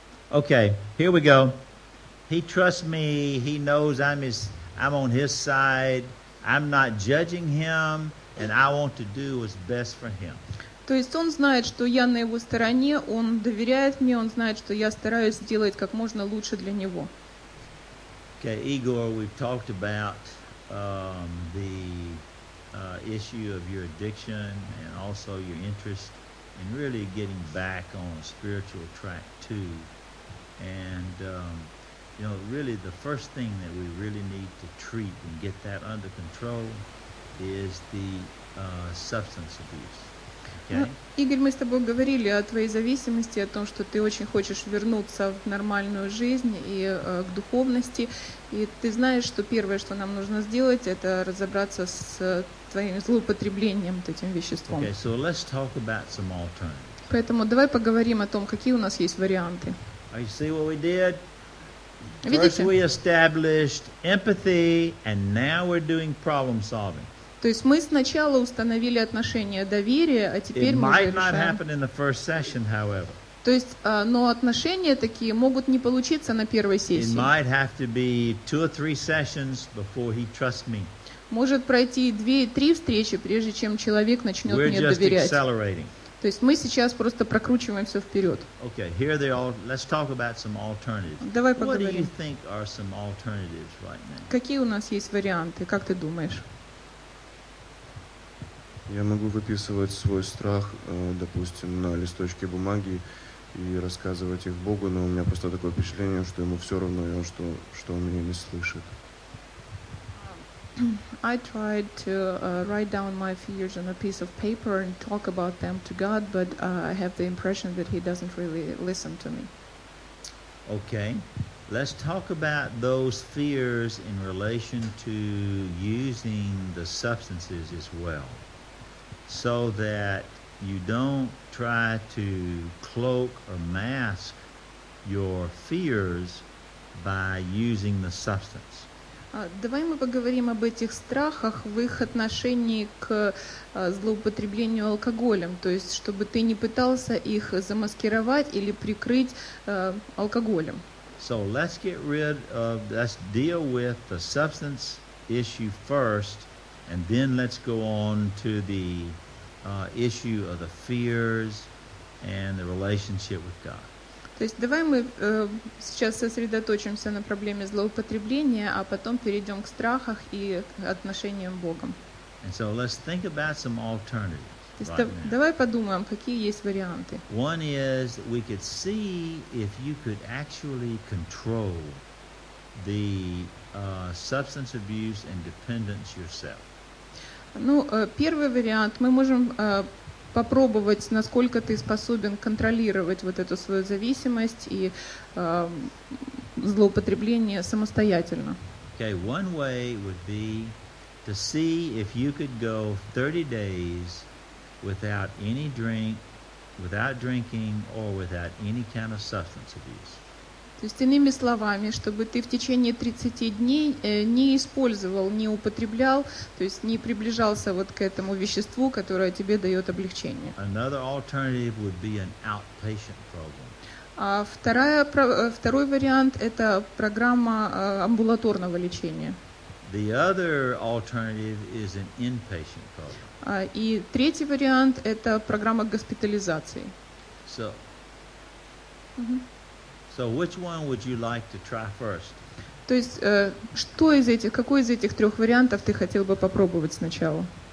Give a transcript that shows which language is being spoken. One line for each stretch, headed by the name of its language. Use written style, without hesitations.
English: Okay, here we go. He trusts me, he knows I'm on his side, I'm not judging him, and I want to do what's best for him.
Russian: То есть он знает, что я на его стороне, он доверяет мне, он знает, что я стараюсь сделать как можно лучше для него.
English: Okay, Igor, we've talked about the issue of your addiction and also your interest in really getting back on a spiritual track too. And, you know, really the first thing that we really need to treat and get that under control is the substance abuse. Okay.
Russian: Игорь, мы с тобой говорили о твоей зависимости, о том, что ты очень хочешь вернуться в нормальную жизнь и к духовности. И ты знаешь, что первое, что нам нужно сделать, это разобраться с твоим злоупотреблением этим веществом.
English: Okay, so let's talk about some alternatives.
Russian: Поэтому давай поговорим о том, какие у нас есть варианты.
English: You see what we did?
Russian: Видите?
English: First we established empathy, and now we're doing problem solving.
Russian: То есть мы сначала установили отношения доверия, а теперь мы решаем. То есть, но отношения такие могут не получиться на первой сессии.
English: It might have to be two or three sessions before he trusts me.
Russian: Может пройти 2-3 встречи, прежде чем человек начнет
English: we're
Russian: мне
English: just
Russian: доверять.
English: Accelerating.
Russian: То есть мы сейчас просто прокручиваем все вперед.
English: Okay, here they all. Let's talk about some alternatives.
Russian: Давай поговорим.
English: What do you think are some alternatives right now?
Russian: Какие у нас есть варианты? Как ты думаешь? Я могу выписывать свой страх, допустим, на листочке бумаги и рассказывать их Богу, но у меня просто такое впечатление, что ему все равно, и он что он меня не слышит.
English: I tried to write down my fears on a piece of paper and talk about them to God, but I have the impression that he doesn't really listen to me. Okay. Let's talk about those fears in relation to using the substances as well. So that you don't try to cloak or mask your fears by using the substance.
Russian: Давай мы поговорим об этих страхах в их отношении к злоупотреблению алкоголем. То есть, чтобы ты не пытался их замаскировать или прикрыть алкоголем.
English: So let's get rid of, let's deal with the substance issue first, and then let's go on to the issue of the fears and the relationship with God.
Russian: То есть давай мы сейчас сосредоточимся на проблеме злоупотребления, а потом перейдем к страхах и отношениям с Богом.
English: And so let's think about some alternatives.
Russian: То есть давай подумаем, какие есть варианты.
English: One is we could see if you could actually control the substance abuse and dependence yourself.
Russian: Ну, первый вариант, мы можем попробовать, насколько ты способен контролировать вот эту свою зависимость и злоупотребление самостоятельно.
English: Okay, one way would be to see if you could go 30 days without any drink, without drinking, or without any kind of substance abuse.
Russian: То есть, иными словами, чтобы ты в течение 30 дней не использовал, не употреблял, то есть не приближался вот к этому веществу, которое тебе дает облегчение.
English: Another alternative would be an outpatient program.
Russian: А второй вариант – это программа амбулаторного лечения.
English: The other alternative is an inpatient program.
Russian: И третий вариант – это программа госпитализации.
English: So. So which one would you like to try first?
Russian: То есть, какой из этих трех вариантов ты хотел бы попробовать сначала?